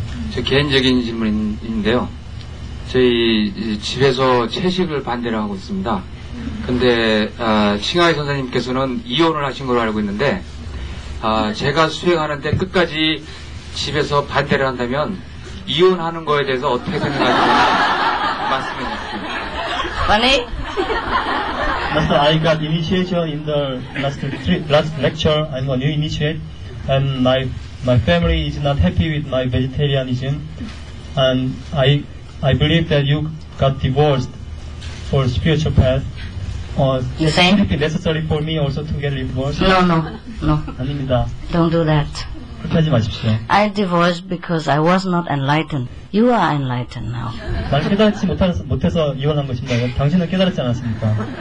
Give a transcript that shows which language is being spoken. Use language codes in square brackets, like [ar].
[ko] 제 개인적인 질문인데요. 저희 집에서 채식을 반대를 하고 있습니다. 근데 칭하이 선생님께서는 이혼을 하신 걸로 알고 있는데 제가 수행하는데 끝까지 집에서 반대를 한다면 이혼하는 거에 대해서 어떻게 생각하시는지 말씀해 주세요. [en] Funny? Last I got initiation in the last lecture. I'm a new initiate and my family is not happy with my vegetarianism and I believe that you got divorced for spiritual path. You saying? It's necessary for me also to get divorced. No. [ko] 아닙니다. [en] Don't do that. [ko] 그렇게 하지 마십시오. [en] I divorced because I was not enlightened. You are enlightened now. [ko] 날 깨달지 못해서 이혼한 것입니다. 당신은 깨달았지 않았습니까?